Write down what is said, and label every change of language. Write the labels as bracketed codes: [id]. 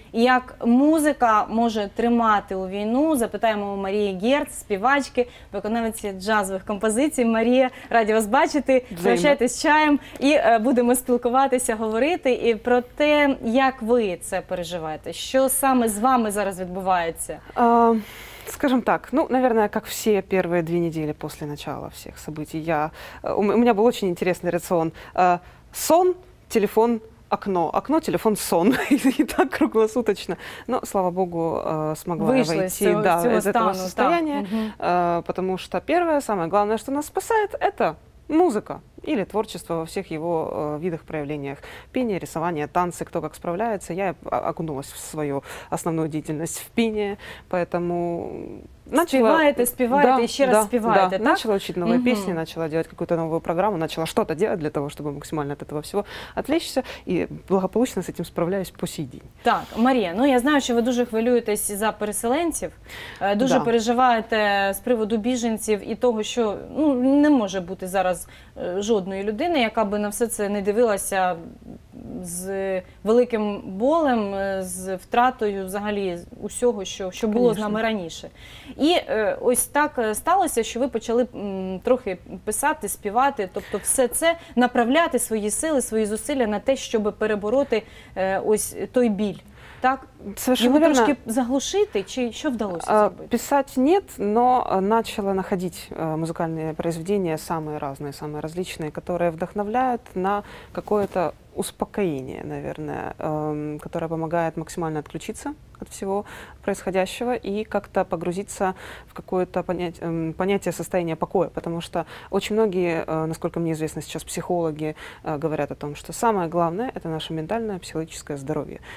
[uk] Як музика може тримати у війну? Запитаємо у Марії Герц, співачки, виконавці джазових композицій. Марія, раді вас бачити. Прощайтесь чаєм і будемо спілкуватися, говорити. І про те, як ви це переживаєте? Що саме з вами зараз відбувається? [ru] Скажем так, ну, наверное, как все первые две недели после начала всех событий, у меня был очень интересный рацион. Сон, телефон, окно. Окно, телефон, сон. И так круглосуточно. Но, слава богу, смогла выйти из этого состояния. Потому что первое, самое главное, что нас спасает, это музыка или творчество во всех его видах, проявлениях. Пение, рисование, танцы, кто как справляется. Я окунулась в свою основную деятельность в пение, поэтому... Спеваете, еще раз спеваете, так? Начала учить новые песни, начала делать какую-то новую программу, начала что-то делать для того, чтобы максимально от этого всего отвлечься, и благополучно с этим справляюсь по сей день. [uk] Так, Мария, ну я знаю, что вы дуже хвилюєтесь за переселенців, дуже переживаєте с приводу біженців и того, что ну, не может быть зараз жодної людини, яка би на все це не дивилася з великим болем, з втратою взагалі усього, що було з нами раніше. І ось так сталося, що ви почали трохи писати, співати, тобто все це, направляти свої сили, свої зусилля на те, щоб перебороти ось той біль. Так, [ru] совершенно верно. [uk] Трошки заглушити, чи що вдалося зробити? [ru] Писати – ні, але почала знаходити музикальні произведения, самые разные, самые различные, которые вдохновляют на какое-то успокоение, наверное, которое помогает максимально отключиться от всего происходящего и как-то погрузиться в какое-то понятие состояния покоя, потому что очень многие, насколько мне известно сейчас, психологи говорят о том, что самое главное – это наше ментальное, психологическое здоровье.